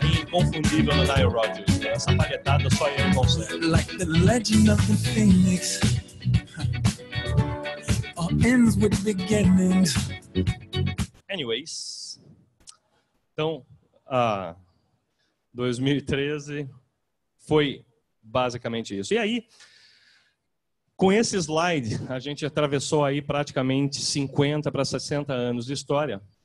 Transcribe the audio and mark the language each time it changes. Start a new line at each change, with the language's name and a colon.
Portuguese: Confundível na Nile Rodgers, né? Essa palhetada só ele consegue.
English: Like the legend of the Phoenix, all ends with beginnings.
Portuguese: Anyways, então, 2013 foi basicamente isso. E aí, com esse slide, a gente atravessou aí praticamente 50 para 60 anos de história.